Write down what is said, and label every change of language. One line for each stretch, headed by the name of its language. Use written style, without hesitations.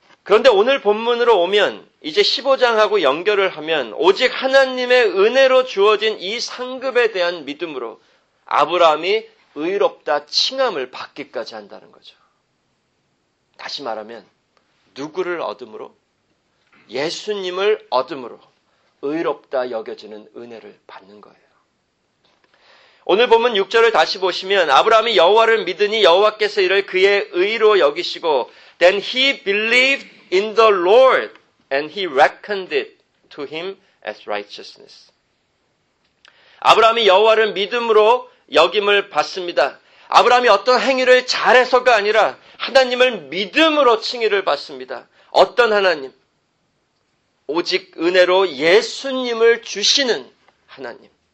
Korean: 그런데 오늘 본문으로 오면 이제 15장하고 연결을 하면 오직 하나님의 은혜로 주어진 이 상급에 대한 믿음으로 아브라함이 의롭다 칭함을 받기까지 한다는 거죠. 다시 말하면 누구를 얻음으로? 예수님을 얻음으로 의롭다 여겨지는 은혜를 받는 거예요.
English: 오늘 보면 6절을 다시 보시면
Korean: 아브라함이 여호와를 믿으니 여호와께서 이를 그의 의로 여기시고
English: Then he believed in the Lord and he reckoned it to him as righteousness.
Korean: 아브라함이 여호와를 믿음으로 여김을 받습니다. 아브라함이 어떤 행위를 잘해서가 아니라 하나님을 믿음으로 칭의를 받습니다. 어떤 하나님? 오직 은혜로 예수님을 주시는 하나님.